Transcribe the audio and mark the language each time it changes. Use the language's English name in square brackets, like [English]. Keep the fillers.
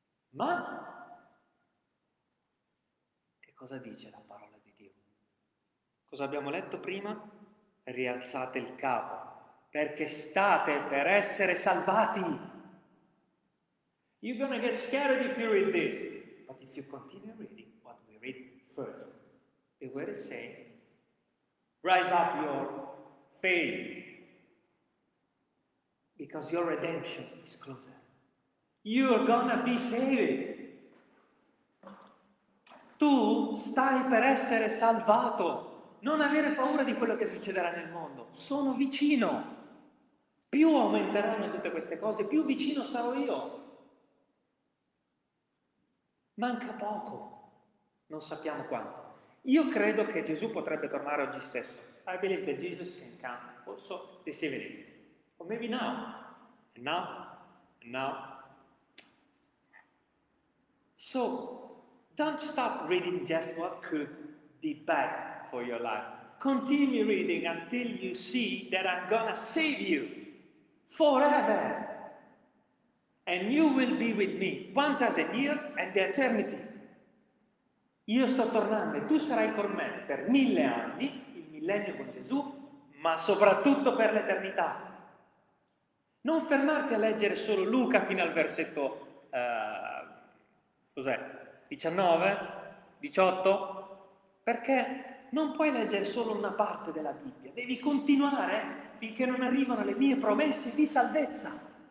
[Italian] Ma che cosa dice la parola di Dio? Cosa abbiamo letto prima? Rialzate il capo, perché state per essere salvati. [English] You're gonna get scared if you read this. But if you continue reading what we read first, the word is saying, rise up your faith. because your redemption is closer. You are gonna be saved. [Italian] Tu stai per essere salvato. Non avere paura di quello che succederà nel mondo. Sono vicino. Più aumenteranno tutte queste cose, più vicino sarò io. Manca poco. Non sappiamo quanto. Io credo che Gesù potrebbe tornare oggi stesso. [English] I believe that Jesus can come also this evening. Or maybe now. And now. And now. So, don't stop reading just what could be bad for your life. Continue reading until you see that I'm gonna save you forever. And you will be with me one thousand year and the eternity. [Italian] Io sto tornando e tu sarai con me per mille anni, il millennio con Gesù, ma soprattutto per l'eternità. Non fermarti a leggere solo Luca fino al versetto eh, cos'è? 19, 18, perché non puoi leggere solo una parte della Bibbia, devi continuare finché non arrivano le mie promesse di salvezza.